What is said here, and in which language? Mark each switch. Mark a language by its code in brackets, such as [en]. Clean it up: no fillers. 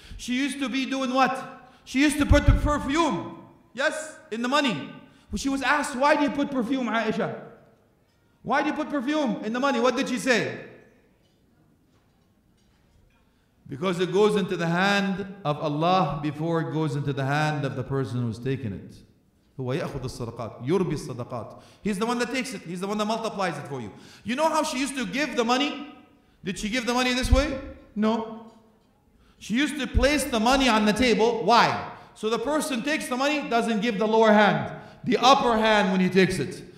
[en] She used to be doing what? She used to put the perfume, yes, in the money. When she was asked, why do you put perfume, Aisha? Why do you put perfume in the money? What did she say? Because it goes into the hand of Allah before it goes into the hand of the person who's taking it. [ar] هو يأخذ الصدقات يربي الصدقات. [en] He's the one that takes it. He's the one that multiplies it for you. You know how she used to give the money? Did she give the money this way? No. She used to place the money on the table. Why? So the person takes the money, doesn't give the lower hand, the upper hand when he takes it.